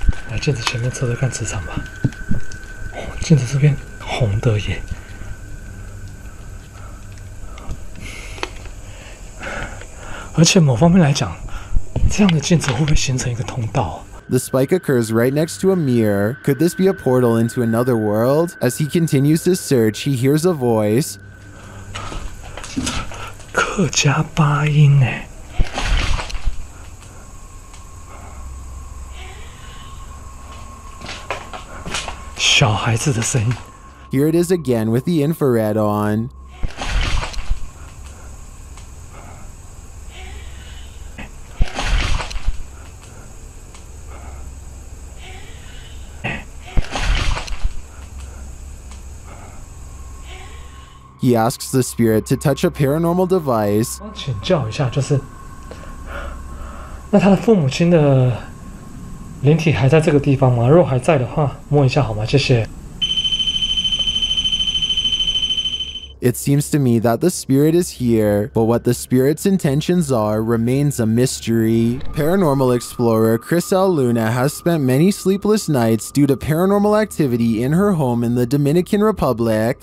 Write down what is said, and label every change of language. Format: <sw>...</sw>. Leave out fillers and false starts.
<zh>来镜子前面测测看磁场吧 镜子这边红的耶 而且某方面来讲 这样的镜子会不会形成一个通道</zh> <en>The spike occurs right next to a mirror. Could this be a portal into another world? As he continues his search, he hears a voice.</en> <zh>客家八音耶 小孩子的声音</zh> <en>Here it is again with the infrared on. He asks the spirit to touch a paranormal device.</en> <zh>请教一下，就是 那他的父母亲的灵体还在这个地方吗？若还在的话，摸一下好吗？谢谢。</zh> <en>It seems to me that the spirit is here, but what the spirit's intentions are remains a mystery. Paranormal explorer Chris L. Luna has spent many sleepless nights due to paranormal activity in her home in the Dominican Republic.</en>